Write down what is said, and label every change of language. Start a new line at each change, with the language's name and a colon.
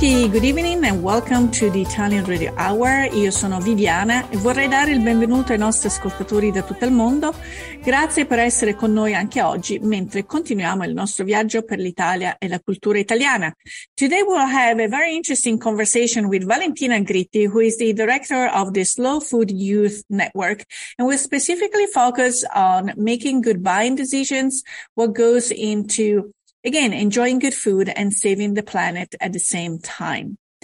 English: good evening and welcome to the Italian Radio Hour.
Italian: Io sono Viviana e vorrei dare il benvenuto ai nostri ascoltatori da tutto il mondo. Grazie per essere con noi anche oggi, mentre continuiamo il nostro viaggio per l'Italia e la cultura italiana.
English: Today we'll have a very interesting conversation with Valentina Gritti, who is the director of the Slow Food Youth Network, and we'll specifically focus on making good buying decisions, what goes into again, enjoying good food and saving the planet at the same time.